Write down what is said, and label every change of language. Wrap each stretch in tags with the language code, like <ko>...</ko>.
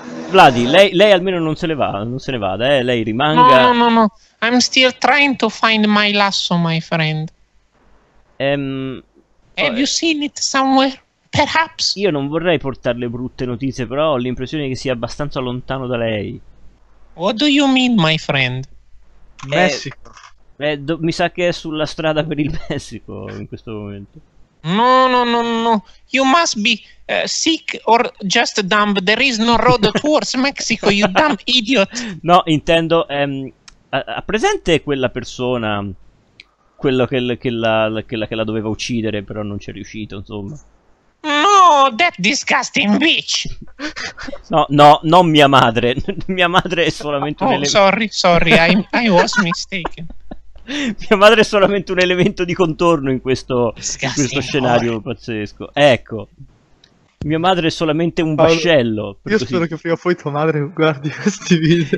<it>Vladi, lei almeno non se ne va, non se ne vada, lei rimanga.</it> <en>No, I'm still trying to find my lasso, my friend. Have you seen it somewhere? Perhaps.</en> <it>Io non vorrei portarle brutte notizie, però ho l'impressione che sia abbastanza lontano da lei.</it> <en>What do you mean, my friend?</en> <it>Messico. Mi sa che è sulla strada per il Messico in questo momento. No.</it> <en>You must be sick or just dumb. There is no road towards Mexico, you dumb idiot.</en> <it>No, intendo... ha presente quella persona, quello che la doveva uccidere, però non c'è riuscito, insomma.</it> <en>No, that disgusting bitch.</en> <it>No, non mia madre. Mia madre è solamente un elemento...</it> <en>Sorry, I was mistaken.</en> <it>Mia madre è solamente un elemento di contorno in questo scenario pazzesco. Ecco. Mia madre è solamente un vascello. Io spero che prima o poi tua madre guardi questi video.</it>